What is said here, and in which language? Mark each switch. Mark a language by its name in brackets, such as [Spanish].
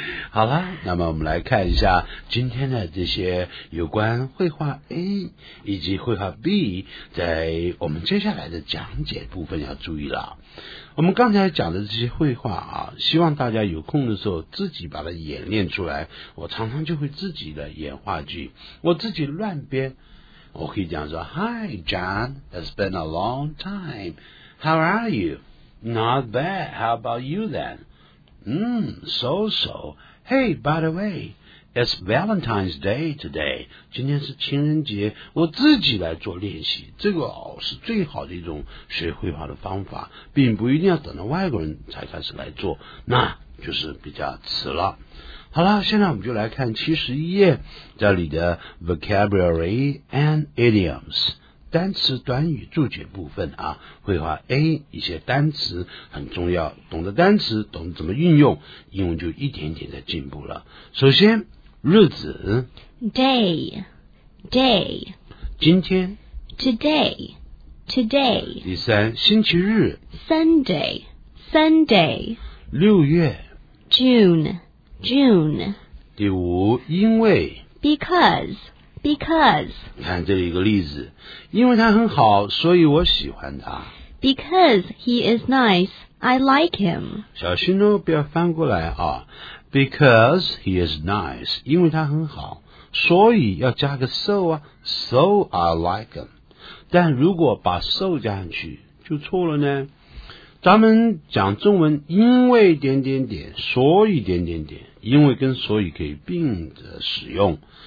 [Chinese] 好了，那么我们来看一下今天的这些有关绘画 A 以及绘画 B 在我们接下来的讲解部分要注意了。我们刚才讲的这些绘画啊，希望大家有空的时候自己把它演练出来。我常常就会自己的演话剧，我自己乱编。我可以讲说 [English] ，Hi John, it's been a long time. How are you? Not bad. How about you then? So-so. Hey, by the way, it's Valentine's Day today. [Chinese] 今天是情人节，我自己来做练习。这个哦，是最好的一种学绘画的方法，并不一定要等到外国人才开始来做，那就是比较迟了。好了，现在我们就来看71页，这里的 Vocabulary and Idioms。单词短语注解部分啊，绘画 A 一些单词很重要，懂得单词，懂得怎么运用，英文就一点点的进步了。首先，日子 [English] ，day， day， [Chinese] 今天 [English] ，today， today。 [Chinese] 第三，星期日 [English] ，Sunday， Sunday。 [Chinese] 六月 [English] ，June， June。 [Chinese] 第五，因为 [English] ，because。 Because. [Chinese] 看这里一个例子，因为他很好，所以我喜欢他。 [English] Because he is nice, I like him. [Chinese] 小心哦，不要翻过来啊。 [English] Because he is nice, [Chinese] 因为他很好，所以要加个 so 啊。 [English] So I like him. [Chinese] 但如果把 so 加上去，就错了呢。咱们讲中文，因为点点点，所以点点点，因为跟所以可以并着使用。